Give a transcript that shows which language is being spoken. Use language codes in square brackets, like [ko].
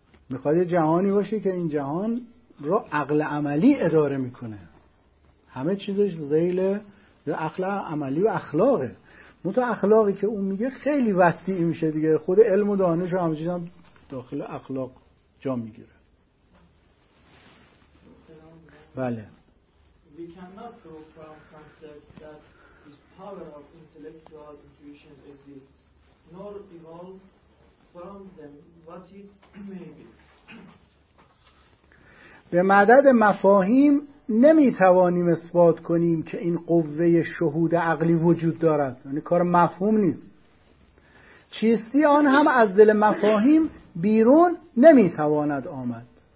[fa] میخواد یه جهانی باشه که این جهان رو عقل عملی اداره میکنه، همه چیزش ذیل عقل عملی و اخلاقه. منتها اخلاقی که اون میگه خیلی وسیع میشه دیگه، خود علم و دانش و همه چیز هم داخل اخلاق جا میگیره. بله. [en] We cannot go from concept that this power of intellectual intuition exists, nor evolve from them what it may be. [fa] به مدد مفاهیم نمیتوانیم اثبات کنیم که این قوه شهود عقلی وجود دارد. یعنی کار مفهوم نیست. چیستی آن هم از دل مفاهیم بیرون نمیتواند آمد.